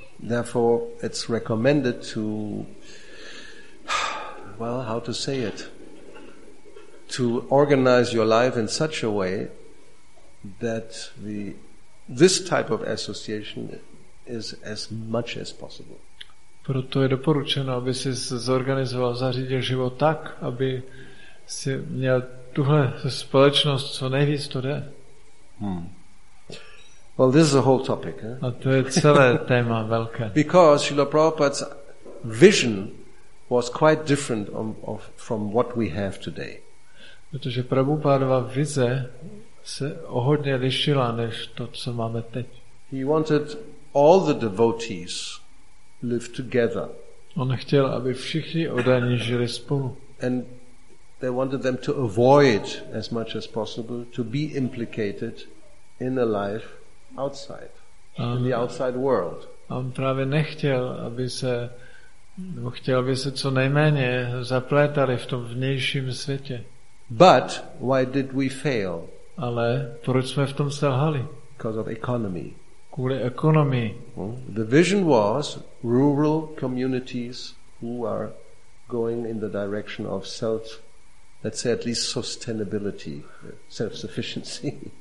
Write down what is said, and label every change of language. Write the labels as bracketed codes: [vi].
[en] Therefore, it's recommended to, well, how to say it, to organize your life in such a way that this type of association is as much as possible. [cs] Proto je doporučeno, aby si zorganizoval, zařídil život tak, aby si měl tuhle společnost, co nejvíc to jde. [en] Well, this is a whole topic. Eh? [cs] A to je celé téma velké. [en] Because Srila Prabhupada's vision was quite different from what we have today. [cs] Protože Prabhupádova vize se o hodně lišila než to, co máme teď. [en] He wanted all the devotees live together. [cs] On chtěl, aby všichni oddaní žili spolu. [en] And they wanted them to avoid as much as possible to be implicated in a life outside, in the outside world. [cs] On právě nechtěl, aby se chtěl, aby se co nejméně zaplétali v tom vnějším světě. [en] But why did we fail? [cs] Ale proč jsme v tom selhali? [en] Because of economy. [cs] Kvůli ekonomii. [en] The vision was rural communities who are going in the direction of self, let's say at least sustainability, self-sufficiency.